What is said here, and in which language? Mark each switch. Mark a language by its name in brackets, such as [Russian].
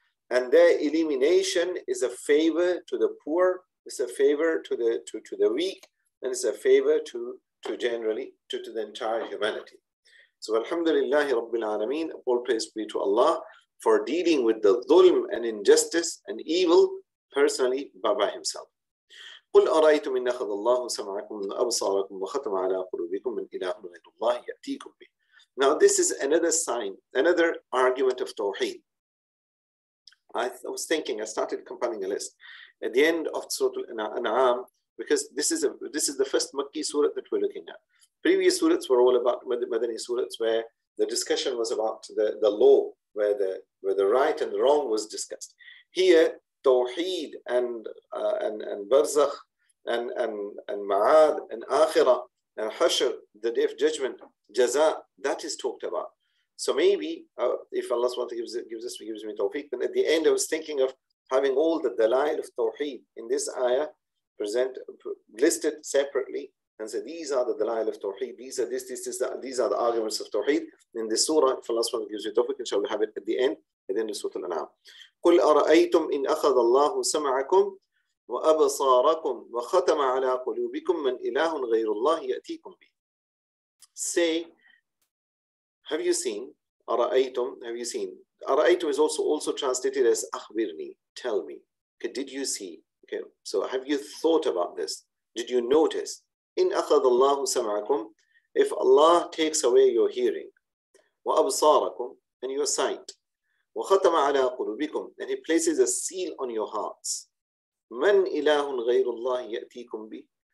[English] And their elimination is a favor to the poor, it's a favor to the weak, and it's a favor to generally the entire humanity. So Alhamdulillahi Rabbil Alameen, all praise be to Allah for dealing with the dhulm and injustice and evil personally by himself. [Arabic] قل أرأيتم إن أخذ الله سمعكم وأبصاركم وختم على قلوبكم من إله غير الله يأتيكم به. [English] Now this is another sign, another argument of Tawheed. I started compiling a list at the end of Surah Al-An'am, because this is the first Makki surah that we're looking at. Previous surahs were all about Madani surahs, where the discussion was about the law, where the right and the wrong was discussed. Here, Tawheed and Barzakh and Ma'ad and Akhirah and Hashr, the day of judgment, Jaza, that is talked about. So maybe if Allah subhanahu wa ta'ala gives me Tawheed, then at the end I was thinking of having all the dalail of Tawheed in this ayah listed separately, and say these are the dalail of Tawheed, these are the arguments of Tawheed in this surah. If Allah subhanahu wa ta'ala gives me Tawheed, inshallah, have it at the end of Surah Al-An'am. [Arabic] قل أرأيتم إن أخذ الله سمعكم وأبصاركم وختم على قلوبكم من إله غير الله يأتيكم به. [English] Say, have you seen? أرأيتم, have you seen? أرأيتم is also translated as أخبرني, tell me. Okay, did you see? Okay, so have you thought about this? Did you notice? [Arabic] إن أخذ الله سمعكم, [English] if Allah takes away your hearing, وأبصاركم, and your sight, [Arabic] وَخَتَمَ عَلَىٰ قُلُوبِكُمْ, [English] and he places a seal on your hearts. [Arabic] مَنْ إِلَهٌ غَيْرُ اللَّهِ يَأْتِيكُمْ بِهِ,